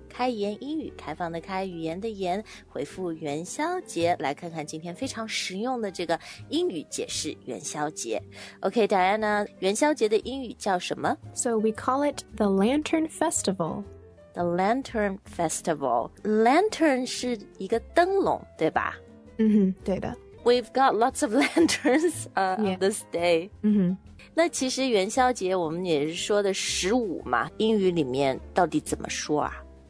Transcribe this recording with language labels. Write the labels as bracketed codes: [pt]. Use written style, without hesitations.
[zh] 开言英语，开放的开，语言的言，回复元宵节，来看看今天非常实用的这个英语解释元宵节。 OK, Diana, 元宵节的英语叫什么？ [en] So we call it the Lantern Festival. The Lantern Festival. [zh] Lantern 是一个灯笼，对吧？嗯、mm-hmm, 对的。 [en] We've got lots of lanterns、on this day. 嗯、mm-hmm. [zh] 那其实元宵节我们也是说的十五嘛，英语里面到底怎么说啊？